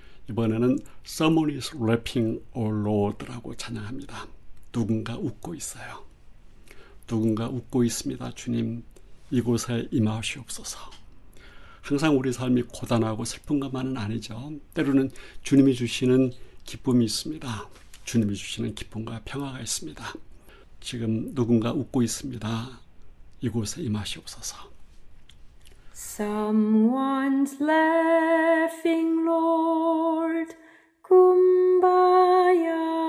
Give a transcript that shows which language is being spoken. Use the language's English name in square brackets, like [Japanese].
[Korean] 이번에는 [English] Someone is rapping, O Lord라고 [Korean] 찬양합니다. 누군가 웃고 있어요. 누군가 웃고 있습니다. 주님, 이곳에 임하시옵소서. 항상 우리 삶이 고단하고 슬픈 것만은 아니죠. 때로는 주님이 주시는 기쁨이 있습니다. 주님이 주시는 기쁨과 평화가 있습니다. 지금 누군가 웃고 있습니다. 이곳에 임하시옵소서. [English] Someone's laughing, Lord. Kumbaya.